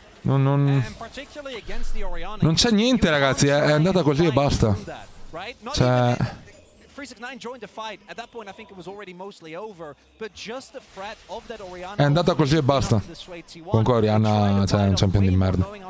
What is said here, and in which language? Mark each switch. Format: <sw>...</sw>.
<it>Non c'è niente, ragazzi, è andata così e basta. Cioè,</it> <en>369 joined the fight. At that point, I think it was already mostly over. But just the threat of that Orianna.</en> <it>È andata così e basta. Comunque, Orianna, cioè, è un champion di merda.</it>